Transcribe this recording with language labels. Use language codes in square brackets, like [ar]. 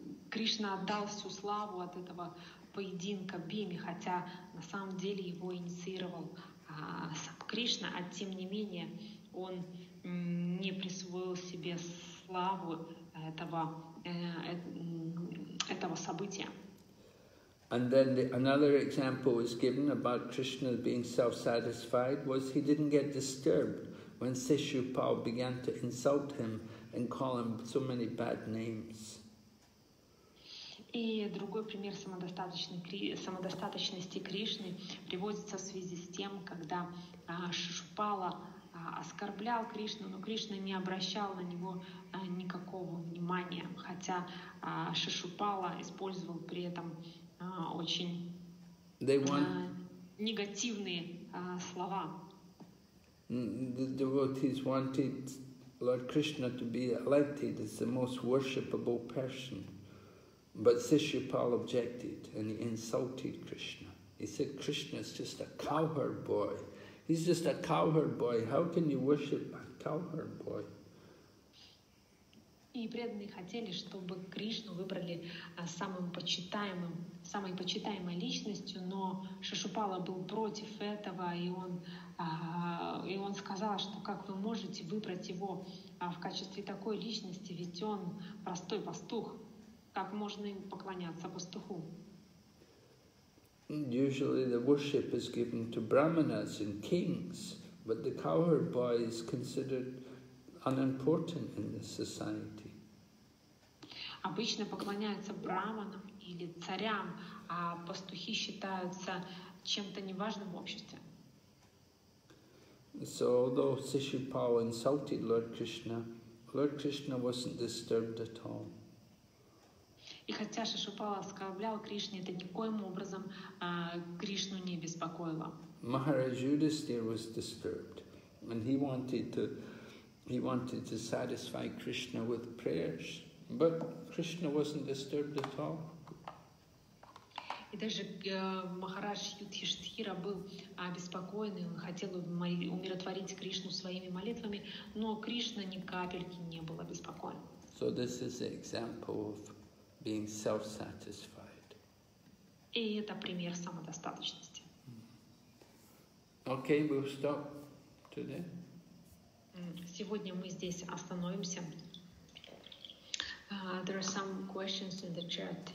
[ru] Кришна отдал всю славу от этого поединка Бхиме, хотя на самом деле его инициировал сам Кришна, а тем не менее он не присвоил себе славу этого события. [en] And then another example was given about Krishna being self-satisfied was he didn't get disturbed when Sishupal began to insult him and call him so many bad names. [ru] И другой пример самодостаточности Кришны приводится в связи с тем, когда Шишупала оскорблял Кришну, но Кришна не обращал на него никакого внимания, хотя Шишупала использовал при этом негативные слова. [en] The devotees wanted Lord Krishna to be elected as the most worshipable person. But Sishupal objected and he insulted Krishna. He said, Krishna is just a cowherd boy. He's just a cowherd boy. How can you worship a cowherd boy? [ru] И преданные хотели, чтобы Кришну выбрали самой почитаемой личностью, но Шишупала был против этого, и он сказал, что как вы можете выбрать его в качестве такой личности, ведь он простой пастух. Как можно им поклоняться пастуху? [en] Usually the worship is given to brahmanas and kings, but the cowherd boy is considered unimportant in this society. [ru] Обычно поклоняются браманам или царям, а пастухи считаются чем-то неважным в обществе. [en] So although Sishupal insulted Lord Krishna wasn't disturbed at all. [ru] И хотя Шишупала оскорблял Кришну, это никоим образом Кришну не беспокоило. [en] Maharaj Yudhisthira was disturbed, and he wanted to satisfy Krishna with prayers. But Krishna wasn't disturbed at all. [ru] И даже Махарадж Юдхиштхира был обеспокоен, он хотел умиротворить Кришну своими молитвами, но Кришна ни капельки не был обеспокоен. [en] So this is an example of being self-satisfied. [ru] И это пример самодостаточности. [en] Okay, we'll stop today. [ru] Сегодня мы здесь остановимся. [en] There are some questions in the chat.